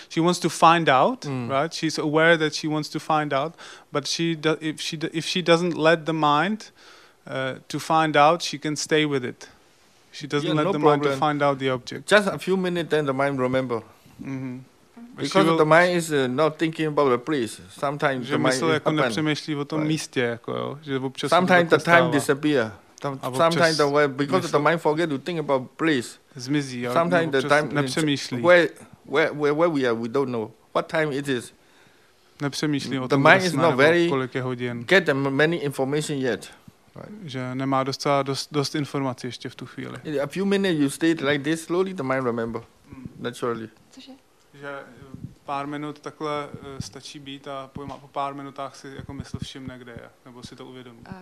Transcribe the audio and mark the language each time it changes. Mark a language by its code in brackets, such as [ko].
[en] She wants to find out, right? She's aware that she wants to find out, but if she doesn't let the mind to find out, she can stay with it. She doesn't let the mind to find out the object. Just a few minutes, then the mind remember. Because the mind is not thinking about the place. Sometimes the mind [cs] is jako nepřemýšlí o tom místě, jako jo, že občas. [en] Sometimes the time disappear. Sometimes the way, because the mind forget to think about place. [cs] Zmizí, jo. [en] Sometimes the time [cs] nepřemýšlí. [en] Where we are, we don't know. What time it is? [cs] Nepřemýšlí o tom, kolik je hodin. [en] The mind is not very get many information yet. [cs] Že nemá dost informací ještě v tu chvíli. [en] In a few minutes you stay like this, slowly the mind remember, naturally. [cs] Že pár minut takhle stačí být a po pár minutách si jako mysl všimne, kde je, nebo si to uvědomí.